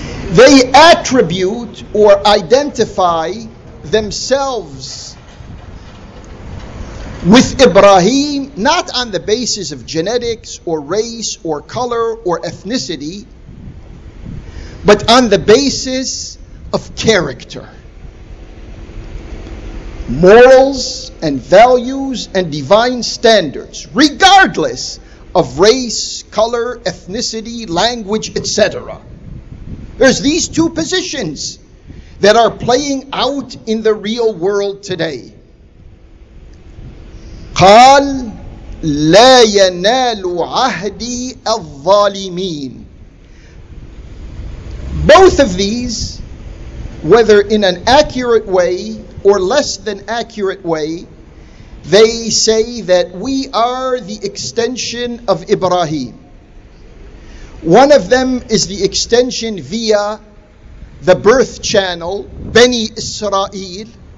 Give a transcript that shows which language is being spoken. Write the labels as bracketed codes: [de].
[en] They attribute or identify themselves with Ibrahim, not on the basis of genetics or race or color or ethnicity, but on the basis of character, morals and values and divine standards, regardless of race, color, ethnicity, language, etc. There's these two positions that are playing out in the real world today. [ar] قال لا ينال عهدي الظالمين. [en] Both of these, whether in an accurate way or less than accurate way, they say that we are the extension of Ibrahim. One of them is the extension via the birth channel, Bani Israel.